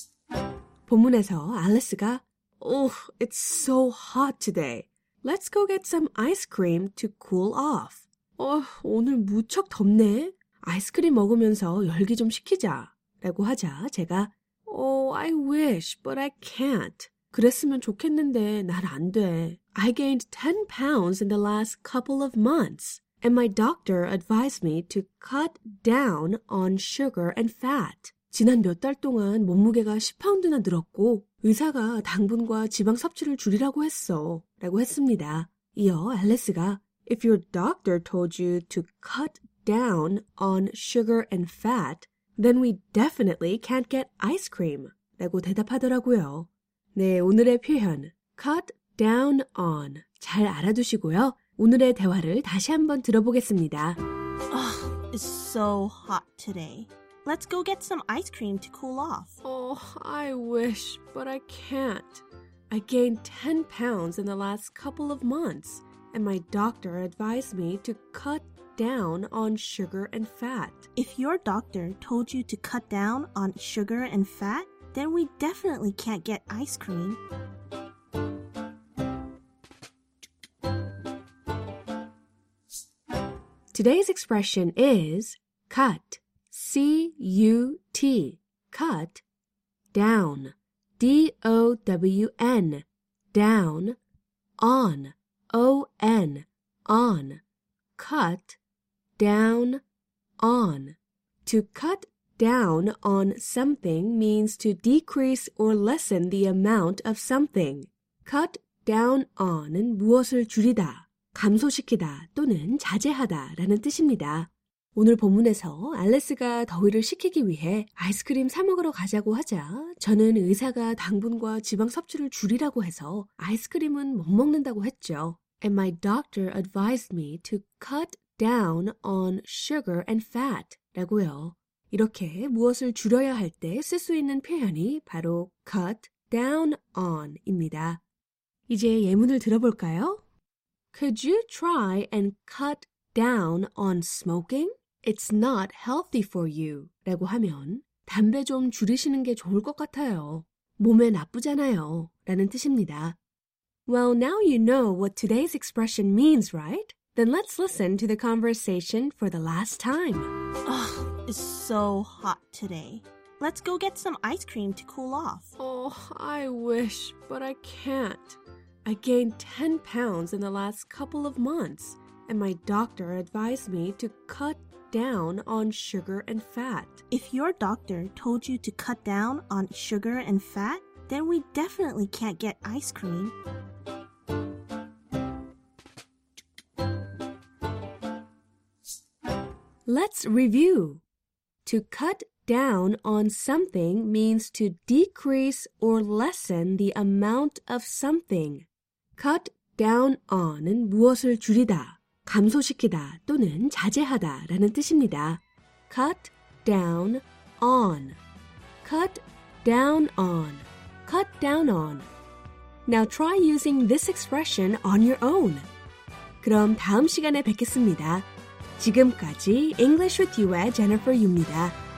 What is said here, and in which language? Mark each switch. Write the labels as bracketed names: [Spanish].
[Korean] (목소리) 본문에서 알리스가 [English] Oh, it's so hot today. Let's go get some ice cream to cool off. [Korean] 오늘 무척 덥네. 아이스크림 먹으면서 열기 좀 식히자. 라고 하자 제가 [English] Oh, I wish, but I can't. [Korean] 그랬으면 좋겠는데 난 안 돼. [English] I gained 10 pounds in the last couple of months, and my doctor advised me to cut down on sugar and fat. [Korean] 지난 몇 달 동안 몸무게가 10파운드나 늘었고 의사가 당분과 지방 섭취를 줄이라고 했어. 라고 했습니다. 이어 앨리스가 [English] If your doctor told you to cut down on sugar and fat, then we definitely can't get ice cream. [Korean] 라고 대답하더라고요. 네, 오늘의 표현 cut down on 잘 알아두시고요. 오늘의 대화를 다시 한번 들어보겠습니다. [English] Oh, it's so hot today. Let's go get some ice cream to cool off. Oh, I wish, but I can't. I gained 10 pounds in the last couple of months, and my doctor advised me to cut down on sugar and fat. If your doctor told you to cut down on sugar and fat, then we definitely can't get ice cream. 'Today's expression is cut. C-U-T, cut, down, D-O-W-N, down, on, O-N, on, cut, down, on. To cut down on something means to decrease or lessen the amount of something. [Korean] Cut down on은 무엇을 줄이다, 감소시키다 또는 자제하다라는 뜻입니다. 오늘 본문에서 알레스가 더위를 식히기 위해 아이스크림 사 먹으러 가자고 하자 저는 의사가 당분과 지방 섭취를 줄이라고 해서 아이스크림은 못 먹는다고 했죠. [English] And my doctor advised me to cut down on sugar and fat [Korean] 라고요. 이렇게 무엇을 줄여야 할 때 쓸 수 있는 표현이 바로 cut down on 입니다. 이제 예문을 들어볼까요? [English] Could you try and cut down on smoking? It's not healthy for you. [Korean] 라고 하면 담배 좀 줄이시는 게 좋을 것 같아요. 몸에 나쁘잖아요. 라는 뜻입니다. [English] Well, now you know what today's expression means, right? Then let's listen to the conversation for the last time. Ugh, it's so hot today. Let's go get some ice cream to cool off. Oh, I wish, but I can't. I gained 10 pounds in the last couple of months. And my doctor advised me to cut down on sugar and fat. If your doctor told you to cut down on sugar and fat, then we definitely can't get ice cream. Let's review. To cut down on something means to decrease or lessen the amount of something. [Korean] Cut down on은 무엇을 줄이다. 감소시키다 또는 자제하다 라는 뜻입니다. [English] Cut down on. Cut down on. Cut down on. Now try using this expression on your own. [Korean] 그럼 다음 시간에 뵙겠습니다. 지금까지 English with You의 Jennifer입니다.